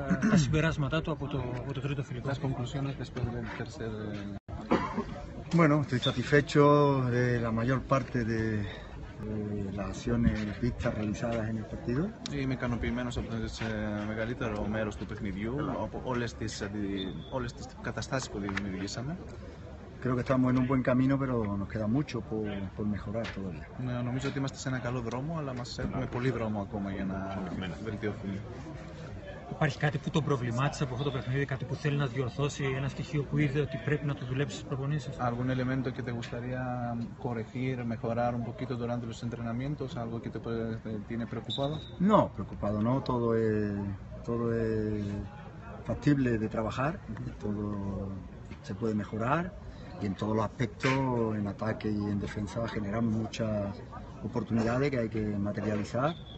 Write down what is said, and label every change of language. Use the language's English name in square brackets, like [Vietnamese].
[Greek] τα συμπεράσματά του από το τρίτο φιλικό. [Spanish] Las conclusiones después del tercer. Bueno, estoy satisfecho de la mayor parte de las acciones vistas realizadas en el partido. [Greek] Είμαι ικανοποιημένος από το μεγαλύτερο μέρος του παιχνιδιού, από όλες τις καταστάσεις που δημιουργήσαμε. [Spanish] Creo que estamos en un buen camino, pero nos queda mucho por mejorar todavía. [Greek] Νομίζω ότι είμαστε σε ένα καλό δρόμο, αλλά μας έχουμε πολύ δρόμο ακόμα για να βελτιωθούμε. Υπάρχει κάτι που τον προβλημάτισε από αυτό το παιχνίδι, κάτι που θέλει να διορθώσει, ένα στοιχείο που είδε ότι πρέπει να το δουλέψει στις προπονήσεις? [Spanish] Algún elemento que te gustaría corregir, mejorar un poquito durante los entrenamientos, algo que te tiene preocupado? No, preocupado no, todo es factible de trabajar, todo se puede mejorar y en todos los aspectos, en ataque y en defensa, generan muchas oportunidades que hay que materializar.